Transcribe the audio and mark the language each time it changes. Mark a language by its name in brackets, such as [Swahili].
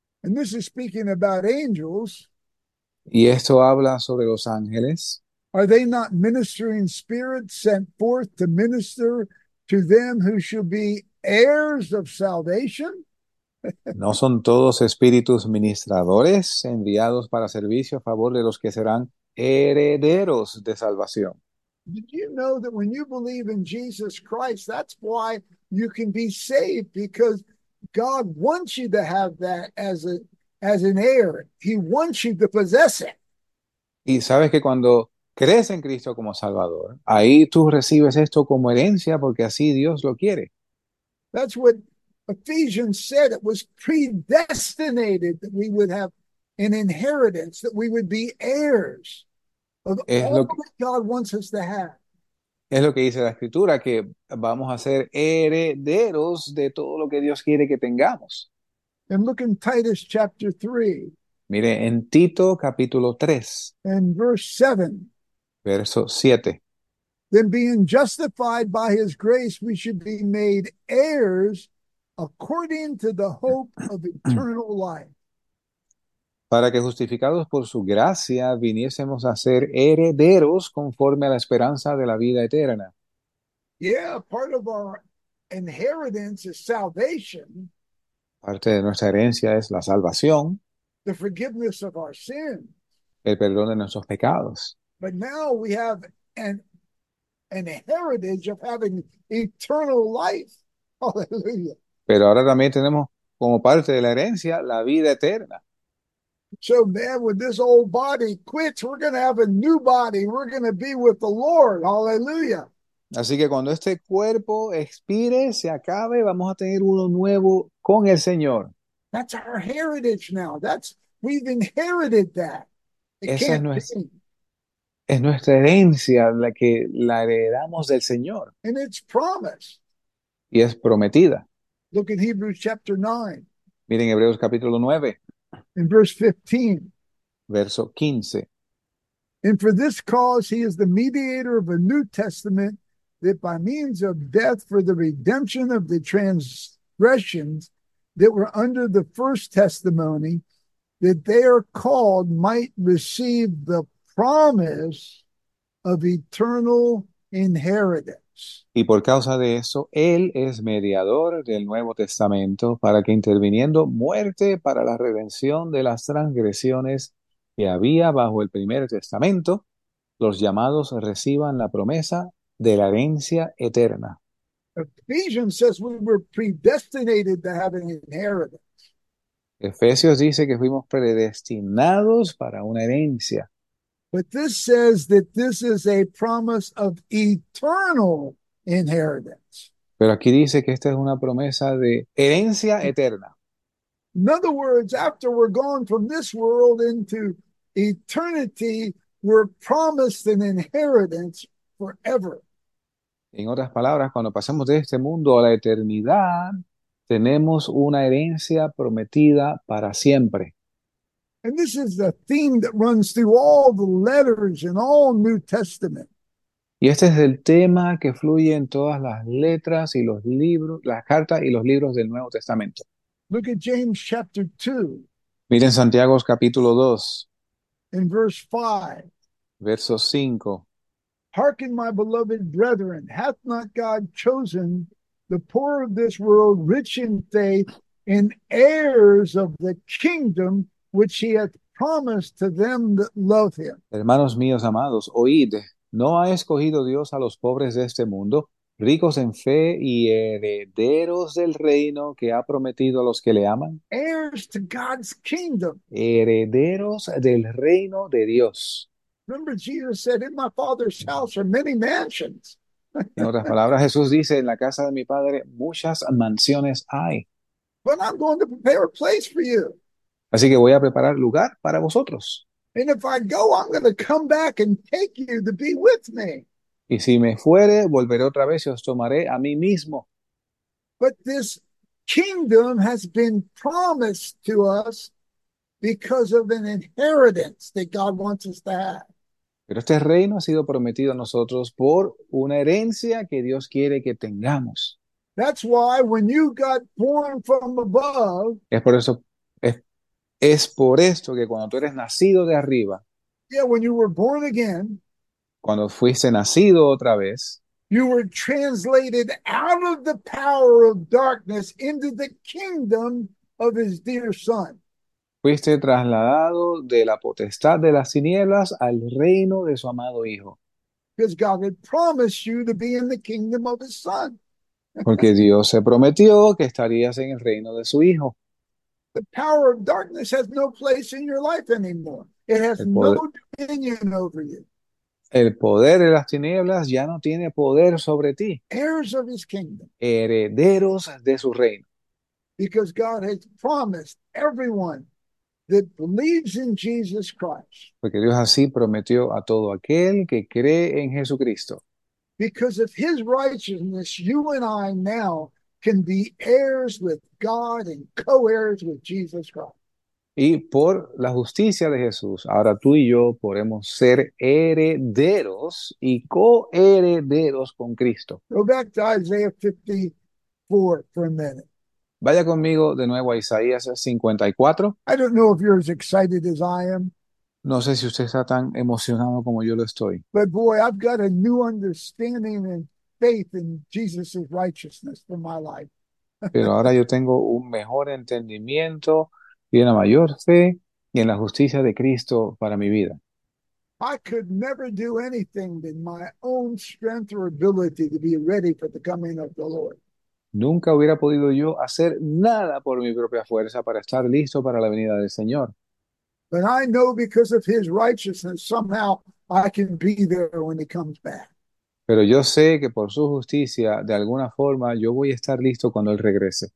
[English] And this is speaking about angels. [Spanish] Y esto habla sobre los ángeles. [English] Are they not ministering spirits sent forth to minister to them who shall be heirs of salvation? [Spanish] ¿No son todos espíritus ministradores enviados para servicio a favor de los que serán herederos de salvación? [English] Did you know that when you believe in Jesus Christ, that's why you can be saved? Because God wants you to have that as a as an heir. He wants you to possess it. [Spanish] Y sabes que cuando crees en Cristo como Salvador, ahí tú recibes esto como herencia porque así Dios lo quiere. [English] That's what Ephesians said. It was predestinated that we would have an inheritance, that we would be heirs of [Spanish] Es [English] all that God wants us to have. [Spanish] lo que dice la Escritura, que vamos a ser herederos de todo lo que Dios quiere que tengamos. [English] And look in Titus chapter 3 [Spanish] Mire, en Tito capítulo 3, [English] and verse 7. [Spanish] verso 7. [English] Then being justified by his grace, we should be made heirs according to the hope of eternal life. [Spanish] Para que justificados por su gracia viniésemos a ser herederos conforme a la esperanza de la vida eterna. [English] Yeah, part of our inheritance is salvation. [Spanish] Parte de nuestra herencia es la salvación, [English] The forgiveness of our sins. [Spanish] el perdón de nuestros pecados. [English] But now we have an heritage of having eternal life. Hallelujah. [Spanish] Pero ahora también tenemos como parte de la herencia la vida eterna. [English] So, man, when this old body quits, we're going to have a new body. We're going to be with the Lord. Hallelujah. [Spanish] Así que cuando este cuerpo expire, se acabe, vamos a tener uno nuevo con el Señor. [English] That's our heritage now. That's we've inherited that. It [Spanish] Esa [English] can't be. [Spanish] es nuestra herencia, la que la heredamos del Señor. [English] And it's promised. [Spanish] Y es prometida. [English] Look at Hebrews chapter 9, [Spanish] Miren Hebreos capítulo 9, [English] in verse 15. [Spanish] verso 15. [English] And for this cause he is the mediator of a new testament, that by means of death for the redemption of the transgressions that were under the first testimony, that they are called might receive the promise of eternal inheritance. [Spanish] Y por causa de eso, Él es mediador del Nuevo Testamento para que interviniendo muerte para la redención de las transgresiones que había bajo el primer testamento, los llamados reciban la promesa de la herencia eterna. [English] Ephesians says we were predestinated to have an inheritance. [Spanish] Efesios dice que fuimos predestinados para una herencia. [English] But this says that this is a promise of eternal inheritance. [Spanish] Pero aquí dice que esta es una promesa de herencia eterna. [English] Other words, after we're gone from this world into eternity, we're promised an inheritance forever. [Spanish] En otras palabras, cuando pasemos de este mundo a la eternidad, tenemos una herencia prometida para siempre. [English] And this is the theme that runs through all the letters in all New Testament. [Spanish] Y este es el tema que fluye en todas las letras y los libros, las cartas y los libros del Nuevo Testamento. [English] Look at James chapter 2, [Spanish] Miren Santiago capítulo 2, [English] in verse 5. [Spanish] verso 5. [English] Hearken, my beloved brethren, hath not God chosen the poor of this world rich in faith and heirs of the kingdom which he hath promised to them that love him? [Spanish] Hermanos míos amados, oíd. ¿No ha escogido Dios a los pobres de este mundo, ricos en fe y herederos del reino que ha prometido a los que le aman? [English] Heirs to God's kingdom. [Spanish] Herederos del reino de Dios. [English] Remember, Jesus said, in my Father's house are many mansions. [Spanish] En otras palabras, Jesús dice, en la casa de mi Padre muchas mansiones hay. [English] But I'm going to prepare a place for you. [Spanish] Así que voy a preparar lugar para vosotros. [English] And if I go, I'm going to come back and take you to be with me. [Spanish] Y si me fuere, volveré otra vez y os tomaré a mí mismo. [English] But this kingdom has been promised to us because of an inheritance that God wants us to have. [Spanish] Pero este reino ha sido prometido a nosotros por una herencia que Dios quiere que tengamos. [English] That's why when you got born from above, [Spanish] Es por esto que cuando tú eres nacido de arriba, [English] when you were born again, [Spanish] cuando fuiste nacido otra vez, [English] you were translated out of the power of darkness into the kingdom of his dear son. [Spanish] fuiste trasladado de la potestad de las tinieblas al reino de su amado hijo. [English] Because God had promised you to be in the kingdom of his son. [Spanish] Porque Dios se prometió que estarías en el reino de su hijo. [English] The power of darkness has no place in your life anymore. It has no dominion over you. [Spanish] El poder de las tinieblas ya no tiene poder sobre ti. [English] Heirs of his kingdom. [Spanish] Herederos de su reino. [English] Because God has promised everyone that believes in Jesus Christ. [Spanish] Porque Dios así prometió a todo aquel que cree en Jesucristo. [English] Because of his righteousness, you and I now can be heirs with God and co-heirs with Jesus Christ. [Spanish] Y por la justicia de Jesús, ahora tú y yo podemos ser herederos y coherederos con Cristo. [English] Go back to Isaiah 54 for a minute. [Spanish] Vaya conmigo de nuevo a Isaías 54. [English] I don't know if you're as excited as I am, [Spanish] No sé si usted está tan emocionado como yo lo estoy. [English] but boy, I've got a new understanding and faith in Jesus' righteousness for my life. [Spanish] Pero ahora yo tengo un mejor entendimiento y una mayor fe y en la justicia de Cristo para mi vida. [English] I could never do anything than my own strength or ability to be ready for the coming of the Lord. [Spanish] Nunca hubiera podido yo hacer nada por mi propia fuerza para estar listo para la venida del Señor. [English] But I know because of his righteousness, somehow I can be there when he comes back. [Spanish] Pero yo sé que por su justicia, de alguna forma, yo voy a estar listo cuando Él regrese.